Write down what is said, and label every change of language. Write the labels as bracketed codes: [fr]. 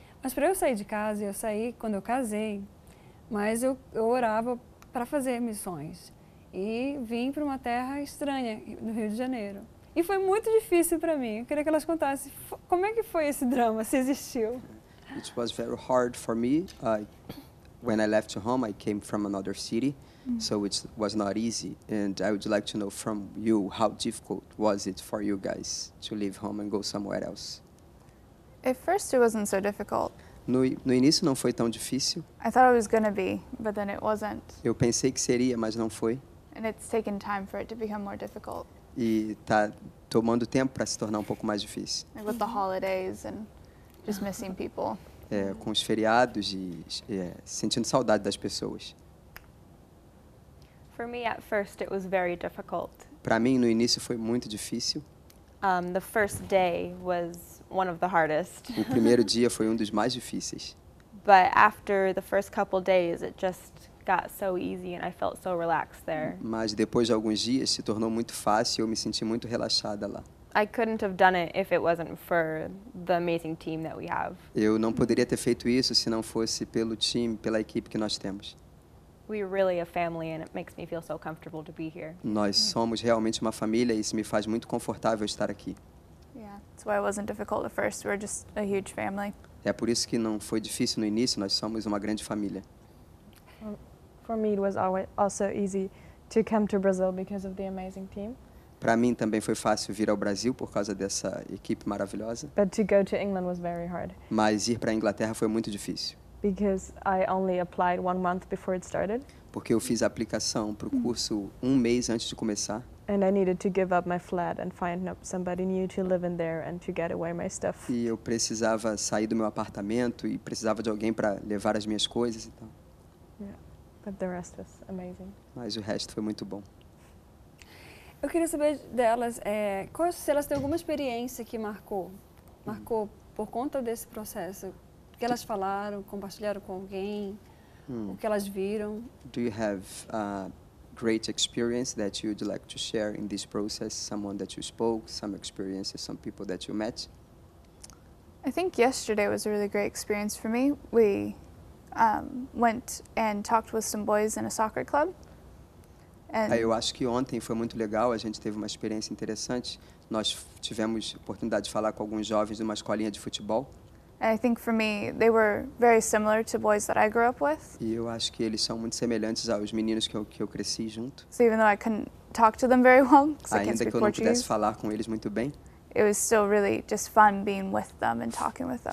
[pt] Mas para eu sair de casa, eu saí quando eu casei, mas eu orava para fazer missões. E vim para uma terra estranha, no Rio de Janeiro. E foi muito difícil para mim. Eu queria que elas contassem como é que foi esse drama, se existiu. [en] It was very hard for me. When I left home, I came from another city, so it was not easy. And I would like to know from you, how difficult was it for you guys to leave home and go somewhere else? At first, it wasn't so difficult. [pt] No início não foi tão difícil. [en] I thought it was going to be, but then it wasn't. [pt] Eu pensei que seria, mas não foi. [en] And it's taken time for it to become more difficult. [pt] E tá tomando tempo para se tornar um pouco mais difícil. [en] Like with the holidays and just missing people. [pt] Com os feriados e sentindo saudade das pessoas. [en] For me, at first, it was very difficult. [pt] Para mim, no início foi muito difícil. [en] The first day was one of the hardest. [pt] O primeiro dia foi um dos mais difíceis. [en] But after the first couple days, it just got so easy and I felt so relaxed there. [pt] Mas depois de alguns dias se tornou muito fácil e eu me senti muito relaxada lá. [en] I couldn't have done it if it wasn't for the amazing team that we have. [pt] Eu não poderia ter feito isso se não fosse pelo time, pela equipe que nós temos. [en] We're really a family and it makes me feel so comfortable to be here. [pt] Nós somos realmente uma família e isso me faz muito confortável estar aqui. [en] Yeah, that's why it wasn't difficult at first. We're just a huge family. [pt] É por isso que não foi difícil no início, nós somos uma grande família. [en] For me it was also easy to come to Brazil because of the amazing team. [pt] Para mim também foi fácil vir ao Brasil por causa dessa equipe maravilhosa. [en] But to go to England was very hard. [pt] Mas ir para a Inglaterra foi muito difícil. [en] Because I only applied one month before it started. [pt] Porque eu fiz a aplicação para o curso um mês antes de começar. [en] And I needed to give up my flat and find somebody new to live in there and to get away my stuff. [pt] E eu precisava sair do meu apartamento e precisava de alguém para levar as minhas coisas e tal. [en] Yeah, but the rest was amazing. [pt] Mas o resto foi muito bom. Eu queria saber delas, se elas têm alguma experiência que marcou por conta desse processo, o que elas falaram, compartilharam com alguém, o que elas viram. [en] Do you have a great experience that you'd like to share in this process? Someone that you spoke, some experiences, some people that you met? I think yesterday was a really great experience for me. We went and talked with some boys in a soccer club. [pt] Eu acho que ontem foi muito legal, a gente teve uma experiência interessante. Nós tivemos a oportunidade de falar com alguns jovens de uma escolinha de futebol. [en] I think for me, they were very similar to boys that I grew up with. [pt] E eu acho que eles são muito semelhantes aos meninos que eu cresci junto. [en] So even though I couldn't talk to them very well, because I can't speak [pt] Ainda que eu não pudesse falar com eles muito bem. [en] It was still really just fun being with them and talking with them.